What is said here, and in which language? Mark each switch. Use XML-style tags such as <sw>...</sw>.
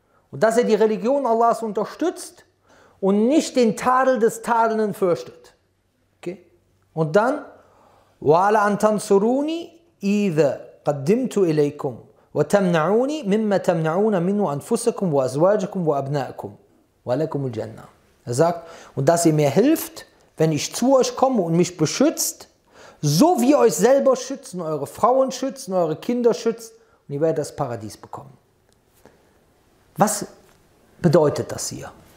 <de>Und dass er die Religion Allahs unterstützt und nicht den Tadel des Tadelnden fürchtet. Okay. Und dann,</de> <ar>wa ala an tansuruni idha قدمتوا إليكم وتمنعوني مما تمنعون منه أنفسكم وأزواجكم وأبنائكم ولكم الجنة.</ar> <de>Er sagt, und dass ihr mir hilft, wenn ich zu euch komme und mich beschützt, so wie ihr euch selber schützen, eure Frauen schützen, eure Kinder schützt, und ihr werdet das Paradies bekommen. Was bedeutet das hier?</de>